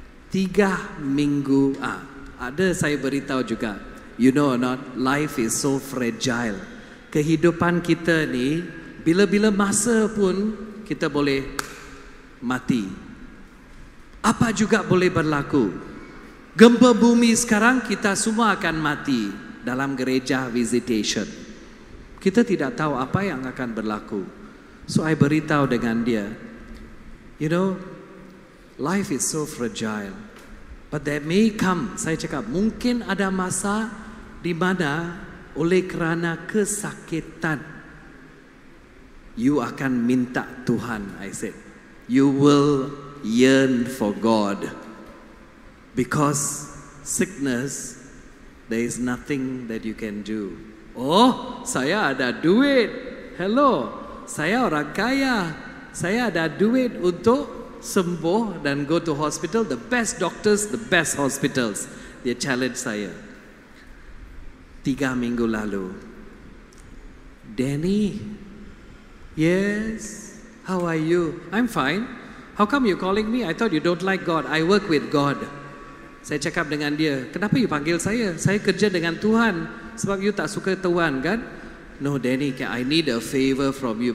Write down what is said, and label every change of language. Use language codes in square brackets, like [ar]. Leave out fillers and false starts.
[ms] 3 minggu, ada saya beritahu juga. [en] You know or not, life is so fragile. [ms] Kehidupan kita ni, bila-bila masa pun kita boleh mati. Apa juga boleh berlaku. Gempa bumi sekarang, kita semua akan mati dalam gereja visitation. Kita tidak tahu apa yang akan berlaku. So, I beritahu dengan dia. [en] You know, life is so fragile. But there may come, [ms] saya cakap, mungkin ada masa di mana oleh kerana kesakitan, you akan minta Tuhan, [en] I said. You will yearn for God. Because sickness, there is nothing that you can do. [ms] Oh, saya ada duit. Hello, saya orang kaya. Saya ada duit untuk sembuh dan [en] go to hospital. The best doctors, the best hospitals. [ms] Dia challenge saya. 3 minggu lalu. [en] Danny, yes, how are you? I'm fine. How come you calling me? I thought you don't like God. I work with God. [ms] Saya cakap dengan dia, kenapa you panggil saya? Saya kerja dengan Tuhan. Sebab you tak suka Tuhan, kan? [en] No, Danny, I need a favor from you.